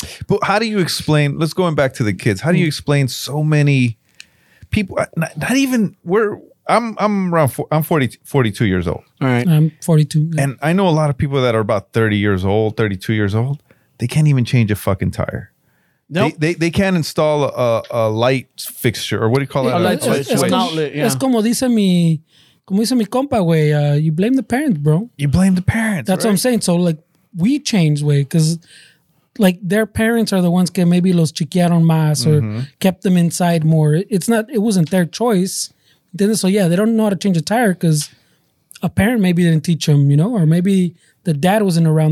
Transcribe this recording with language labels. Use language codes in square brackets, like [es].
[en] But how do you explain, let's going back to the kids, how do you explain so many people, not even, I'm 42 years old. All right. I'm 42. Yeah. And I know a lot of people that are about 30 years old, 32 years old. They can't even change a fucking tire. Nope. They can't install a light fixture, or what do you call it? A light switch. It's an outlet, yeah. [es] Es como dice mi compa, güey. [en] You blame the parents, bro. You blame the parents, that's right? What I'm saying. So, like, we change, güey, because, like, their parents are the ones [es] que [en] maybe [es] los chiquearon más [en] or kept them inside more. It wasn't their choice. So, yeah, they don't know how to change a tire because a parent maybe didn't teach them, you know, or maybe the dad wasn't around.